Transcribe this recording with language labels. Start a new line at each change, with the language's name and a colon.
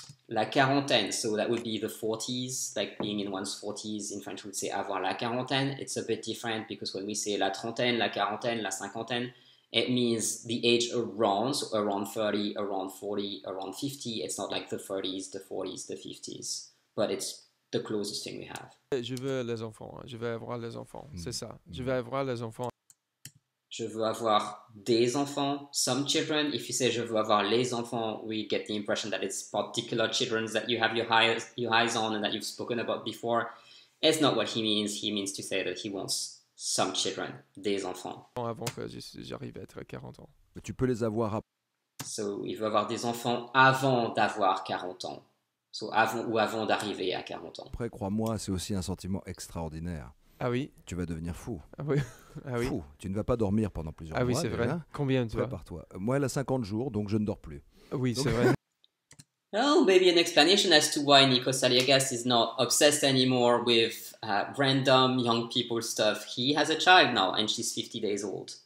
English: La quarantaine, so that would be the 40s, like being in one's 40s. In French, we would say
French: avoir la quarantaine.
English: It's a bit different because when we say
French: la trentaine, la quarantaine, la cinquantaine,
English: it means the age around, so around 30, around 40, around 50. It's not like the 30s, the 40s, the 50s, but it's the closest thing we have.
French: Je veux les enfants, je veux avoir les enfants, c'est ça. Je veux avoir les enfants. Je veux avoir des enfants,
English: some children. If you say
French: je veux avoir les enfants,
English: we get the impression that it's particular children that you have your eyes on and that you've spoken about before. It's not what he means. He means to say that he wants some children,
French: des enfants. Avant que j'arrive à être 40 ans. Mais tu peux les avoir après. So, il veut avoir des enfants avant d'avoir 40 ans. So, avant ou avant d'arriver à 40 ans. Après, crois-moi, c'est aussi un sentiment extraordinaire. Ah oui. Tu vas devenir fou. Ah oui. Ah oui. Fou. Tu ne vas pas dormir pendant plusieurs mois. Ah oui, c'est vrai. Rien. Combien tu vois? Prépare-toi. Moi, elle a 50 jours, donc je ne dors plus. Oui, donc... c'est vrai.
English: Oh, maybe an explanation as to why Nico Saliagas is not obsessed anymore with random young people stuff. He has a child now, and she's 50 days old.